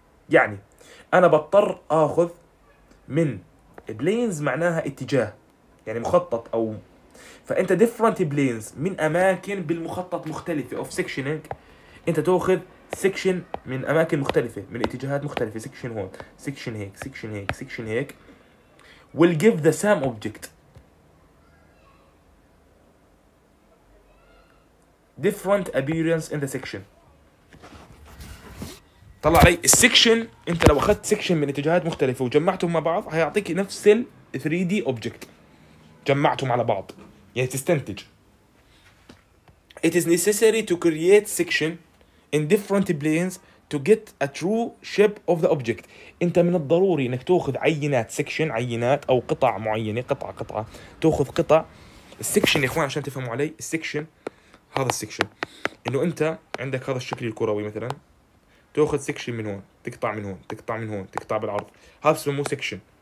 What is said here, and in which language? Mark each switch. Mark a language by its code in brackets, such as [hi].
[ar] يعني انا بضطر اخذ من planes، معناها اتجاه، يعني مخطط، او فانت [en] different planes [ar] من اماكن بالمخطط مختلفة [en] of sectioning، [ar] انت تاخذ section من اماكن مختلفة من اتجاهات مختلفة، section هون، section هيك، section هيك، section هيك، [en] will give the same object different appearance in the section. [ar] طلع علي السكشن، انت لو اخذت سكشن من اتجاهات مختلفة وجمعتهم مع بعض هيعطيك نفس ال 3D object، جمعتهم على بعض يعني تستنتج. [en] It is necessary to create section in different planes to get a true shape of the object. [ar] انت من الضروري انك تاخذ عينات section، عينات او قطع معينة، قطعة قطعة، تاخذ قطع السكشن يا اخوان عشان تفهموا علي. السكشن هذا السكشن، انه انت عندك هذا الشكل الكروي مثلا، تاخذ سكشن من هون، تقطع من هون، تقطع من هون، تقطع بالعرض، هذا سمو سكشن.